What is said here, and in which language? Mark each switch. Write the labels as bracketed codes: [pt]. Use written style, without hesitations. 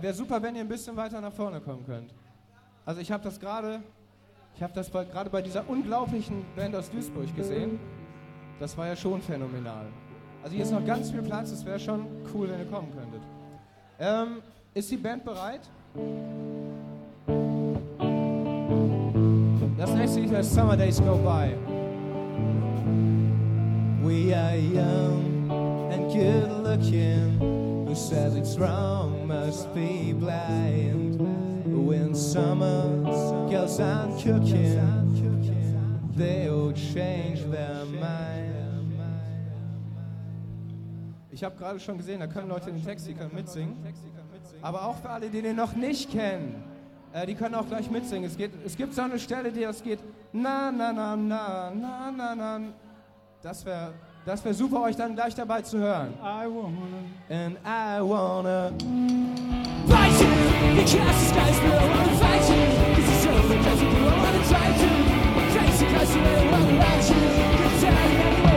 [de] Wäre super, wenn ihr ein bisschen weiter nach vorne kommen könnt. Also ich habe das gerade, bei dieser unglaublichen Band aus Duisburg gesehen. Das war ja schon phänomenal. Also hier ist noch ganz viel Platz. Es wäre schon cool, wenn ihr kommen könntet. Ist die Band bereit? Das nächste Lied heißt Summer Days Go By. [en] We are young and good looking. Who says it's wrong must be blind. When summer goes on cooking, they'll change their mind. [de] Ich habe gerade schon gesehen, da können Leute in den Text, die können mitsingen. Aber auch für alle, die den noch nicht kennen. Die können auch gleich mitsingen. Es gibt so eine Stelle, die das geht. Na, na, na, na, na, na, na. Das wär super, euch dann gleich dabei zu hören. [en] I wanna. And I wanna. Fight you, because the sky's blue. I wanna fight you, because it's over. Because you do, I wanna try to. Thanks, because you really wanna let you.